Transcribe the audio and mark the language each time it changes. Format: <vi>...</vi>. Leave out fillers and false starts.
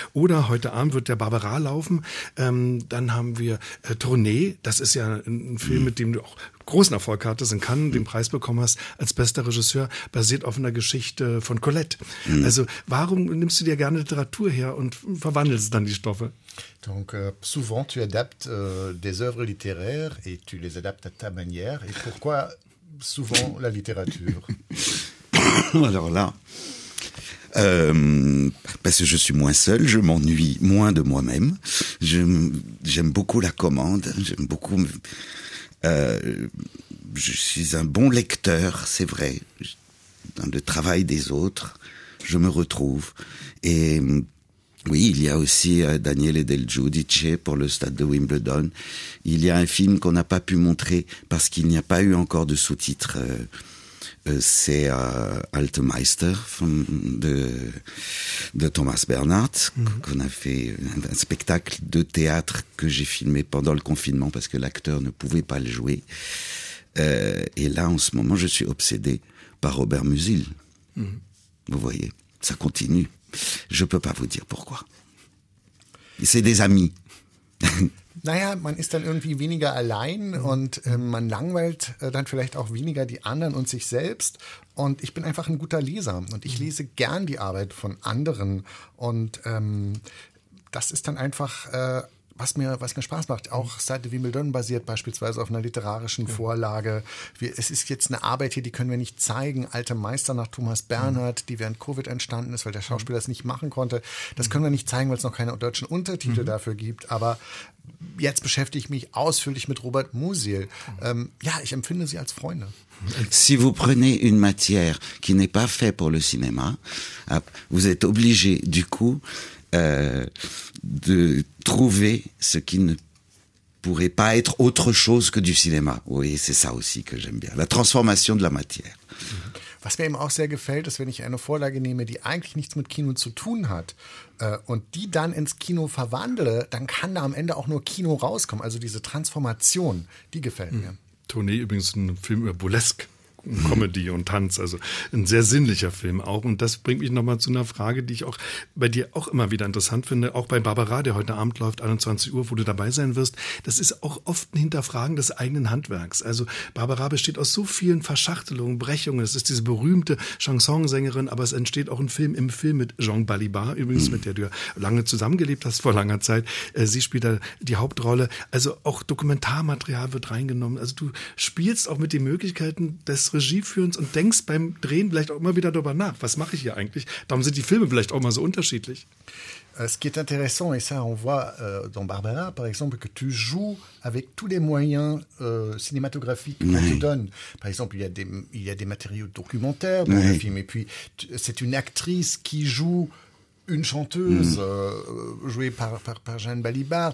<de>Oder Heute Abend wird der Barbara laufen. Dann haben wir Tournee, das ist ja ein Film, mit dem du auch großen Erfolg hattest in Cannes, den Preis bekommen hast als bester Regisseur, basiert auf einer Geschichte von Colette. Also warum nimmst du dir gerne Literatur her und verwandelst dann die Stoffe?</de> <fr>Donc souvent tu adaptes des œuvres littéraires et tu les adaptes à ta manière. Et pourquoi souvent la littérature? Alors là, parce que je suis moins seul, je m'ennuie moins de moi-même. J'aime beaucoup la commande, j'aime beaucoup. Je suis un bon lecteur, c'est vrai. Dans le travail des autres, je me retrouve. Et oui, il y a aussi Daniele Del Giudice pour le stade de Wimbledon. Il y a un film qu'on n'a pas pu montrer parce qu'il n'y a pas eu encore de sous-titres. C'est Altmeister de Thomas Bernhard, qu'on a fait un spectacle de théâtre que j'ai filmé pendant le confinement parce que l'acteur ne pouvait pas le jouer. Et là, en ce moment, je suis obsédé par Robert Musil. Vous voyez, ça continue. Je ne peux pas vous dire pourquoi. C'est des amis.</fr> <de>Naja, man ist dann irgendwie weniger allein und man langweilt dann vielleicht auch weniger die anderen und sich selbst. Und ich bin einfach ein guter Leser und ich lese gern die Arbeit von anderen. Und das ist dann einfach, was mir Spaß macht. Auch Stade de Wimbledon basiert beispielsweise auf einer literarischen Vorlage. Es ist jetzt eine Arbeit hier, die können wir nicht zeigen. Alte Meister nach Thomas Bernhard, die während Covid entstanden ist, weil der Schauspieler es nicht machen konnte. Das können wir nicht zeigen, weil es noch keine deutschen Untertitel dafür gibt. Aber jetzt beschäftige ich mich ausführlich mit Robert Musil. Ja, ich empfinde sie als Freunde.</de> <fr>Si vous prenez une matière qui n'est pas fait pour le cinéma, vous êtes obligé du coup de trouver ce qui ne pourrait pas être autre chose que du cinéma. Oui, c'est ça aussi que j'aime bien. La transformation de la matière.</fr> <de>Was mir eben auch sehr gefällt, ist, wenn ich eine Vorlage nehme, die eigentlich nichts mit Kino zu tun hat, und die dann ins Kino verwandle, dann kann da am Ende auch nur Kino rauskommen. Also diese Transformation, die gefällt mir. Tournee übrigens ein Film über Burlesque, Comedy und Tanz, also ein sehr sinnlicher Film auch. Und das bringt mich nochmal zu einer Frage, die ich auch bei dir auch immer wieder interessant finde, auch bei Barbara, der heute Abend läuft, 21 Uhr, wo du dabei sein wirst. Das ist auch oft ein Hinterfragen des eigenen Handwerks. Also Barbara besteht aus so vielen Verschachtelungen, Brechungen. Es ist diese berühmte Chansonsängerin, aber es entsteht auch ein Film im Film mit Jean Balibar, übrigens, mit der du ja lange zusammengelebt hast, vor langer Zeit. Sie spielt da die Hauptrolle. Also auch Dokumentarmaterial wird reingenommen. Also du spielst auch mit den Möglichkeiten des Regie führens und denkst beim Drehen vielleicht auch immer wieder darüber nach, was mache ich hier eigentlich? Darum sind die Filme vielleicht auch mal so unterschiedlich.</de> <fr>Ce qui est intéressant, et ça on voit dans Barbara, par exemple, que tu joues avec tous les moyens cinématographiques qu'on te donne. Par exemple, il y a des matériaux documentaires dans le film, et puis c'est une actrice qui joue une chanteuse jouée par Jeanne Balibar.</fr>